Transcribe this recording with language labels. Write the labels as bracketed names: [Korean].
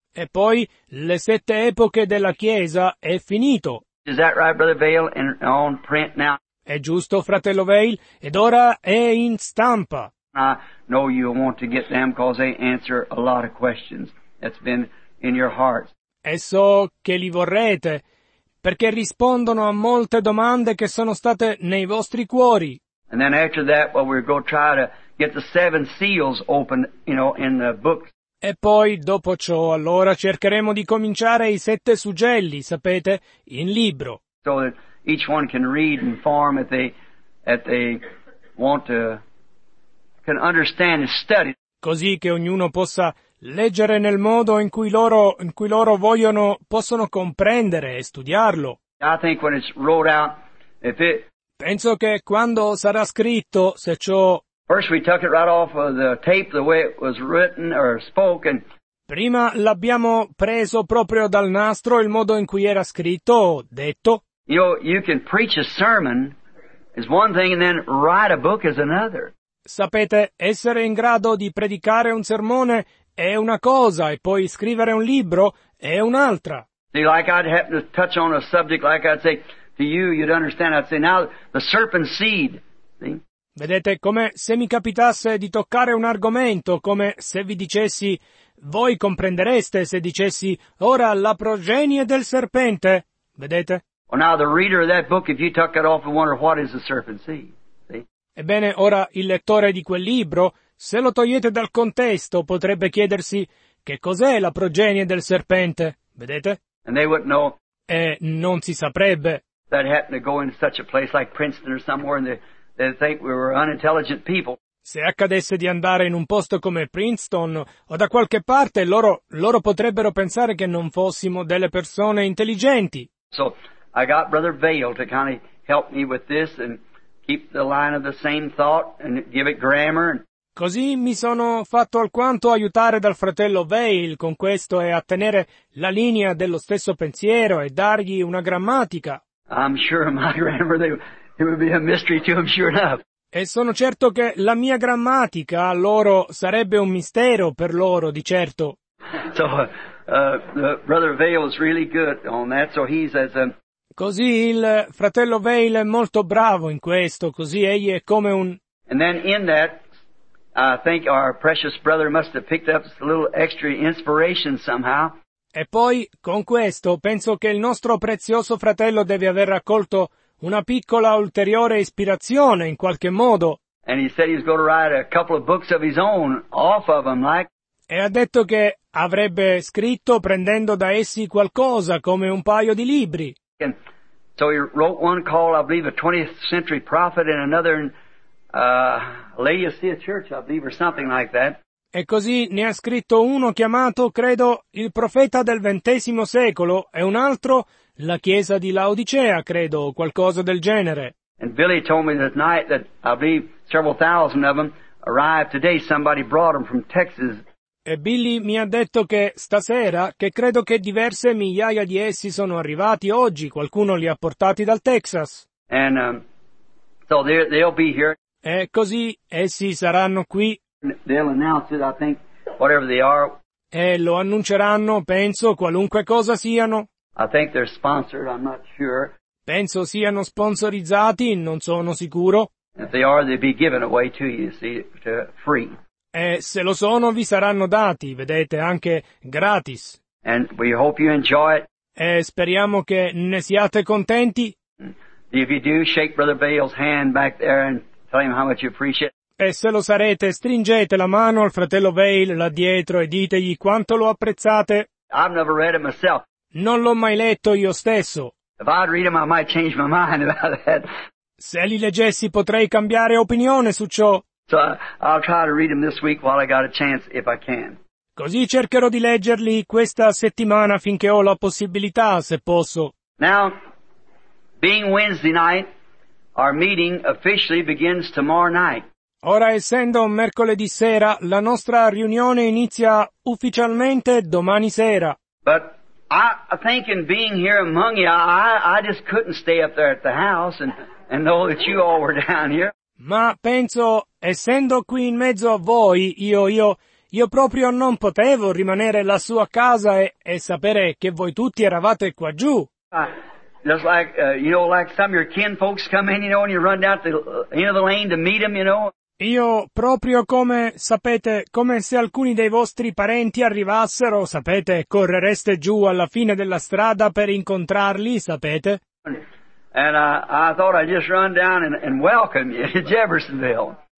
[Italian] E poi, le sette epoche della Chiesa è finito. [English] Is that right, Brother Vail, in on print now? [Italian] È giusto, fratello Vail, ed ora è in stampa. [English] I know you want to get them because they answer a lot of questions that's been in your heart. [Italian] E so che li vorrete perché rispondono a molte domande che sono state nei vostri cuori. [English] And then after that, well, we're going to try to get the seven seals open, you know, in the books. [Italian] E poi dopo ciò, allora cercheremo di cominciare i sette suggelli, sapete, in libro. [English] So that each one can read and form if they want to. Can understand and study. [Italian] Così che ognuno possa leggere nel modo in cui loro vogliono, possono comprendere e studiarlo. [English] I think when it's wrote out, [Italian] penso che quando sarà scritto, se ciò. [English] First we took it right off of the tape, the way it was written or spoken. [Italian] Prima l'abbiamo preso proprio dal nastro, il modo in cui era scritto o detto. [English] You can preach a sermon is one thing and then write a book is another. [Italian] Sapete, essere in grado di predicare un sermone è una cosa e poi scrivere un libro è un'altra. [English] See, like I'd happen to touch on a subject, like I'd say to you, you'd understand, I'd say now the serpent seed. See? [Italian] Vedete, come se mi capitasse di toccare un argomento, come se vi dicessi, voi comprendereste se dicessi, ora la progenie del serpente, vedete? [English] Well, now the reader of that book, if you took it off and wondered what is the serpent seed. [Italian] Ebbene, ora il lettore di quel libro, se lo togliete dal contesto, potrebbe chiedersi che cos'è la progenie del serpente, vedete? [English] And they wouldn't know. [Italian] E non si saprebbe. [English] That happened to go into such a place like Princeton or somewhere and they think we were unintelligent people. [Italian] Se accadesse di andare in un posto come Princeton o da qualche parte, loro potrebbero pensare che non fossimo delle persone intelligenti. [English] So, I got Brother Vail to kind of help me with this and keep the line of the same thought and give it grammar. [Italian] Così mi sono fatto alquanto aiutare dal fratello Vail con questo e a tenere la linea dello stesso pensiero e dargli una grammatica. [English] I'm sure my grammar it would be a mystery to him, sure enough. [Italian] E sono certo che la mia grammatica a loro sarebbe un mistero per loro, di certo. [English] So, Brother Vail is really good on that, so he says. [Italian] Così il fratello Vail è molto bravo in questo, così egli è come un. [English] And then in that, I think our precious brother must have picked up a little extra inspiration somehow. [Italian] E poi, con questo, penso che il nostro prezioso fratello deve aver raccolto una piccola ulteriore ispirazione in qualche modo. [English] And he said he was going to write a couple of books of his own off of them, like. [Italian] E ha detto che avrebbe scritto prendendo da essi qualcosa come un paio di libri. [English] And so he wrote one called, I believe, a 20th century prophet, and another Laodicea Church, I believe, or something like that. [Italian] E così ne ha scritto uno chiamato, credo, il profeta del XX secolo, e un altro, la chiesa di Laodicea, credo, qualcosa del genere. [English] And Billy told me that night that I believe several thousand of them arrived today, somebody brought them from Texas. [Italian] E Billy mi ha detto che stasera, che credo che diverse migliaia di essi sono arrivati oggi, qualcuno li ha portati dal Texas. [English] And, so they'll be here. [Italian] E così essi saranno qui. [English] They'll announce it, I think, whatever they are. [Italian] E lo annunceranno, penso, qualunque cosa siano. [English] I think they're sponsored, I'm not sure. [Italian] Penso siano sponsorizzati, non sono sicuro. [English] If they are, they'll be given away to you, see, to free. [Italian] E se lo sono, vi saranno dati, vedete, anche gratis. [English] And we hope you enjoy it. [Italian] E speriamo che ne siate contenti. [English] If you do, shake Brother Bale's hand back there and tell him how much you appreciate. [Italian] E se lo sarete, stringete la mano al fratello Bale là dietro e ditegli quanto lo apprezzate. [English] I've never read it myself. [Italian] Non l'ho mai letto io stesso. [English] If I'd read him, I might change my mind about that. [Italian] Se li leggessi, potrei cambiare opinione su ciò. [English] So I'll try to read them this week while I got a chance, if I can. [Italian] Così cercherò di leggerli questa settimana finché ho la possibilità, se posso. [English] Now, being Wednesday night, our meeting officially begins tomorrow night. [Italian] Ora essendo mercoledì sera, la nostra riunione inizia ufficialmente domani sera. [English] But I think in being here among you, I just couldn't stay up there at the house and know that you all were down here. [Italian] Ma penso, essendo qui in mezzo a voi, io proprio non potevo rimanere lassù a casa e sapere che voi tutti eravate qua giù. [English] Just like, you know, like some of your kin folks come in, you know, and you run down to the end of the lane to meet them, you know. [Italian] Io proprio come, sapete, come se alcuni dei vostri parenti arrivassero, sapete, correreste giù alla fine della strada per incontrarli, sapete? [English] And I thought I'd just run down and welcome you to Jeffersonville.